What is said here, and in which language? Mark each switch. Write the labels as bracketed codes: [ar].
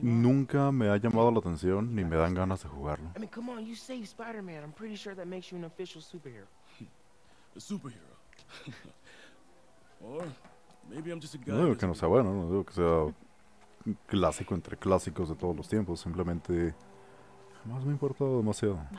[es] Nunca me ha llamado la atención ni me dan ganas de jugarlo. [en] I mean, come on, you saved Spider-Man. I'm pretty sure that makes you an official superhero. A superhero. Or maybe I'm just a guy. [es] No digo que no sea bueno, no digo que sea clásico entre clásicos de todos los tiempos, simplemente jamás me ha importado demasiado.